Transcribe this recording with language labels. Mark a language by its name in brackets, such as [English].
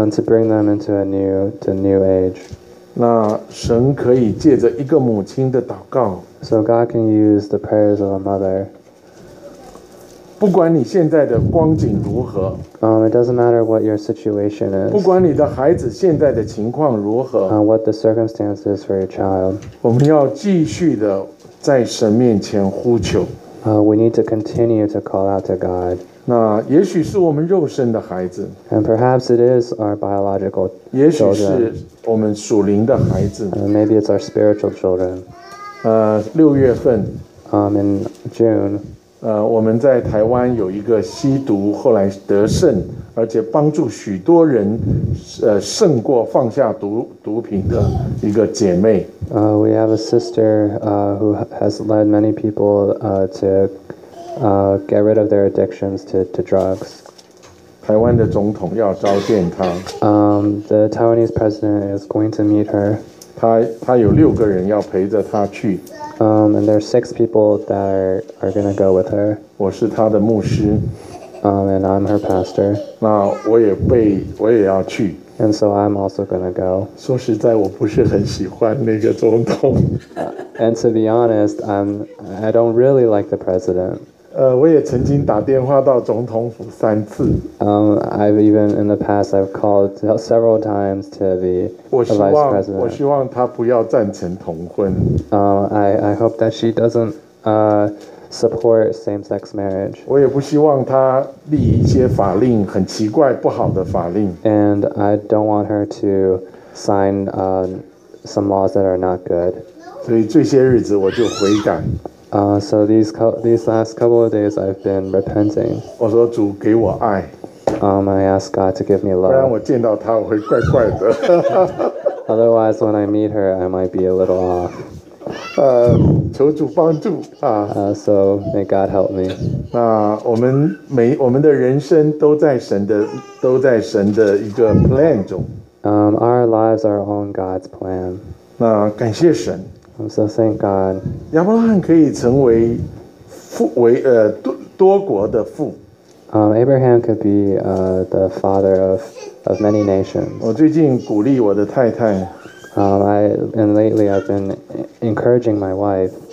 [English] to bring them into the new age. [Chinese] 那神可以借着一个母亲的祷告 [English] So God can use the prayers of a mother. [Chinese] 不管你现在的光景如何 [English] It doesn't matter what your situation is. [Chinese] 不管你的孩子现在的情况如何 [English] What the circumstance is for your child. [Chinese] 我们要继续的在神面前呼求。 [English] We need to continue to call out to God. [Chinese] 那也许是我们肉身的孩子。 [English] And perhaps it is our biological children. [Chinese] 也许是我们属灵的孩子。 [English] Maybe it's our spiritual children. [Chinese] 六月份。 [English] In June. [Chinese] 我们在台湾有一个吸毒，后来得胜，而且帮助许多人，胜过放下毒品的一个姐妹。 [English] We have a sister who has led many people to get rid of their addictions to drugs. [Chinese] 台湾的总统要召见她。 [English] The Taiwanese president is going to meet her. [Chinese] 她有六个人要陪着她去。 [English] And there are six people that are going to go with her. [Chinese] 我是她的牧师。 [English] And I'm her pastor. [Chinese] 那我也要去。 [English] And so I'm also going to go. [Chinese] 说实在我不是很喜欢那个总统。 [English] And to be honest, I don't really like the president. [Chinese] 我也曾经打电话到总统府三次。 [English] I've even in the past, I've called several times to the vice president. [Chinese] 我希望他不要赞成同婚。 [English] I hope that she doesn't support same-sex marriage. [Chinese] 我也不希望她立一些法令很奇怪不好的法令。 [English] And I don't want her to sign some laws that are not good. [Chinese] 所以这些日子我就悔改。 [English] So these last couple of days I've been repenting. [Chinese] 我说主给我爱。 [English] I ask God to give me love. [Chinese] 不然我见到她我会怪怪的。 [English] Otherwise, when I meet her, I might be a little off. [Chinese] 求主帮助啊。 [English] So may God help me. [Chinese] 那我们的人生都在神的一个 plan 中。 [English] Our lives are on God's plan. [Chinese] 那感谢神。 [English] I'm so thank God. [Chinese] 亚伯拉罕可以成为父为多国的父。 [English] Abraham could be the father of many nations. [Chinese] 我最近鼓励我的太太。 [English] And lately I've been encouraging my wife.